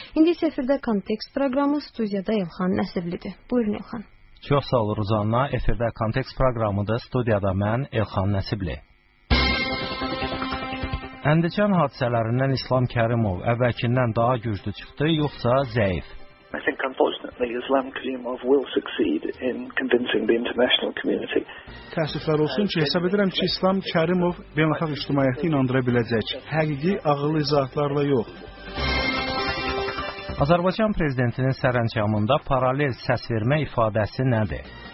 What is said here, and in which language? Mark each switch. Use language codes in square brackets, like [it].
[az] İndi isə efirdə kontekst proqramı studiyada İlxan Nəsirlidir. Buyurun, İlxan. Çox sağ ol, Ruzanna. Efirdə kontekst proqramıdır. Studiyada mən, İlxan Nəsibli. Əndəcan hadisələrindən İslam Kərimov əvvəlkindən daha güclü çıxdı, yoxsa zəif? [en] I think unfortunately Islam Karimov will succeed in convincing the international community. [az] Təəssüflər olsun ki, hesab edirəm ki, İslam Kərimov beynəlxalq ictimaiyyəti inandıra biləcək. Həqiqi ağıllı izahatlarla yox. Azərbaycan prezidentinin sərəncamında paralel səs vermə ifadəsi nədir?